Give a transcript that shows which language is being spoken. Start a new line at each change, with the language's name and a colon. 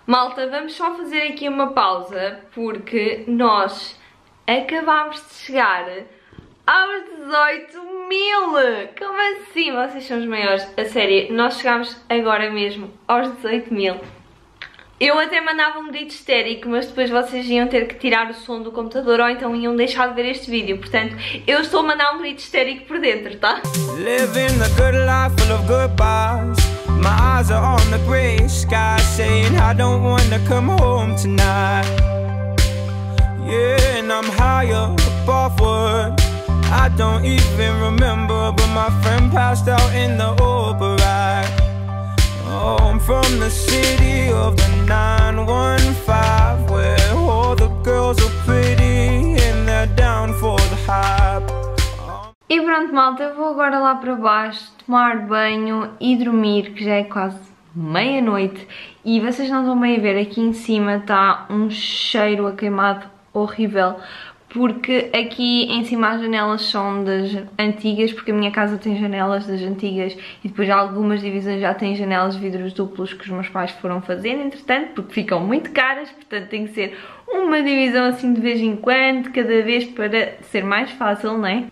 Portuguese: Malta, vamos só fazer aqui uma pausa porque nós acabámos de chegar aos 18 mil! Como assim? Vocês são os maiores. A sério, nós chegámos agora mesmo aos 18 mil. Eu até mandava um grito histérico, mas depois vocês iam ter que tirar o som do computador ou então iam deixar de ver este vídeo. Portanto, eu estou a mandar um grito histérico por dentro, tá?
English: Living a good life full of goodbyes. My eyes are on the gray sky, saying I don't wanna come home tonight. Yeah, and I'm higher above wood. I don't even remember, but my friend passed out in the Uber ride. Oh, I'm from the city of the 915, where all the girls are pretty and they're down for the hype.
Portuguese: E pronto, malta, eu vou agora lá para baixo tomar banho e dormir, que já é quase meia-noite. E vocês não estão bem a ver, aqui em cima está um cheiro a queimado horrível, porque aqui em cima as janelas são das antigas, porque a minha casa tem janelas das antigas e depois algumas divisões já têm janelas de vidros duplos que os meus pais foram fazer, entretanto, porque ficam muito caras, portanto tem que ser uma divisão assim de vez em quando, cada vez, para ser mais fácil, não é?